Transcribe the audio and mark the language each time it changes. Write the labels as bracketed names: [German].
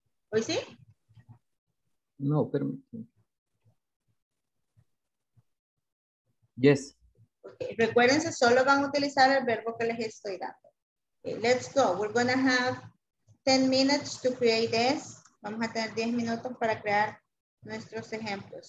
[Spanish] ¿Hoy sí? No, permíteme. [English] Yes. Okay. [Spanish] Recuérdense, solo van a utilizar el verbo que les estoy dando. [English] Okay, let's go. We're going to have 10 minutes to create this. [Spanish] Vamos a tener 10 minutos para crear nuestros ejemplos.